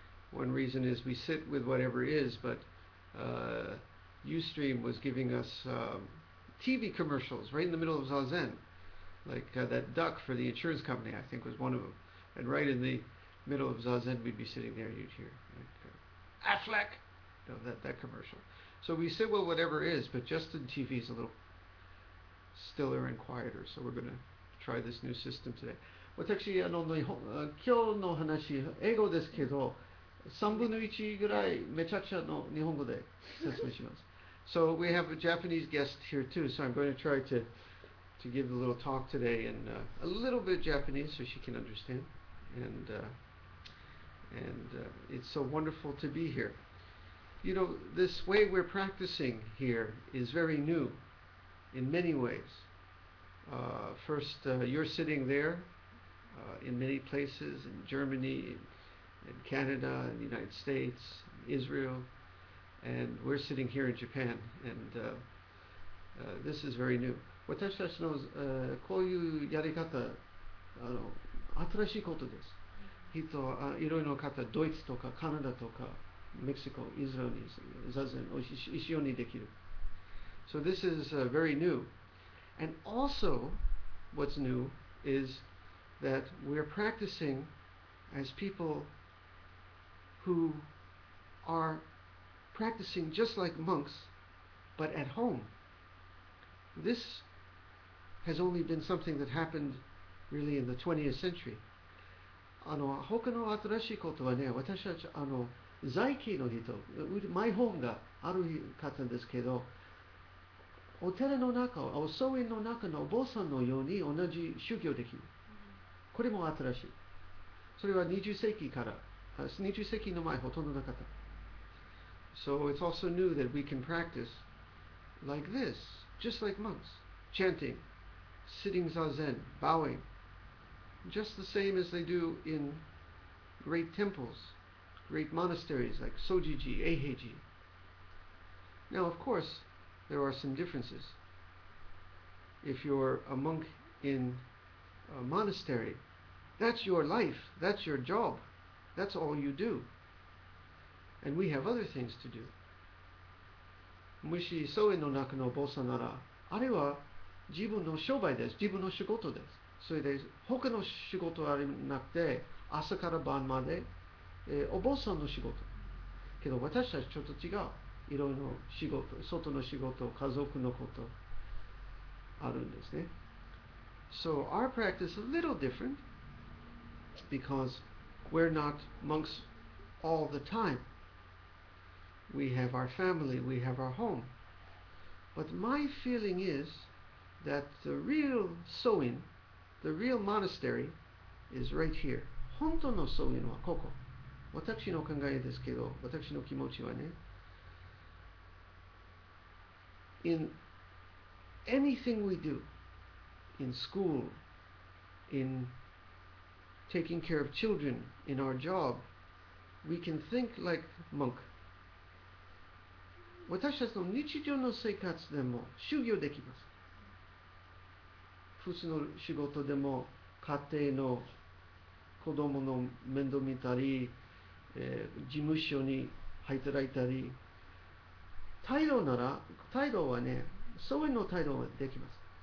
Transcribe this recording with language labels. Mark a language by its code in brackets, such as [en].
[en] One reason is we sit with whatever is, but Ustream was giving us TV commercials right in the middle of Zazen, like that duck for the insurance company, I think, was one of them. And right in the middle of Zazen, we'd be sitting there, you'd hear, like, Affleck, no, that commercial. So we sit with whatever is, but Justin TV is a little stiller and quieter, so we're going to try this new system today. [ja] 私あの日本今日の話英語ですけど、3分の1ぐらいめちゃくちゃの日本語で説明します。 [en] So we have a Japanese guest here too, so I'm going to try to give a little talk today in a little bit of Japanese so she can understand. And it's so wonderful to be here. You know, this way we're practicing here is very new in many ways. First, you're sitting there in many places, in Germany, in Canada, in the United States, Israel, and we're sitting here in Japan, and this is very new. [ja] 私たちのこういうやり方、新しいことです。人はいろいろな方、ドイツとかカナダとかメキシコ、イスラエルに、ザゼン、一緒にできる。 [en] So this is very new. And also, what's new is that we're practicing as people who are practicing just like monks, but at home. This has only been something that happened really in the 20th century. [ja] あの、他の新しいことはね、私たち、あの、在家の人、マイホームがある方ですけど、お寺の中、お僧院の中のお坊さんのように同じ宗教できる。これも新しい。それは20世紀から、20世紀の前ほとんどなかった。 [en] So it's also new that we can practice like this, just like monks, chanting, sitting zazen, bowing, just the same as they do in great temples, great monasteries like Sojiji, Eiheiji. Now, of course,There are some differences. If you're a monk in a monastery, that's your life, that's your job, that's all you do. And we have other things to do. [ja] もし僧院の中のお坊さんなら、あれは自分の商売です、自分の仕事です。それで他の仕事はありなくて、朝から晩まで、お坊さんの仕事。けど私たちちょっと違う。いろいろ仕事、外の仕事、家族のことあるんですね。 [en] So our practice is a little different because we're not monks all the time. We have our family, we have our home. But my feeling is that the real soin, the real monastery is right here. [ja] 本当の soin はここ。私の考えですけど、私の気持ちはね。 [en] In anything we do, in school, in taking care of children, in our job, we can think like monk. [ja] 私たちの日常の生活でも修行できます。普通の仕事でも家庭の子供の面倒見たり、事務所に働いたり、態度なら、態度はね、僧院の態度はできます。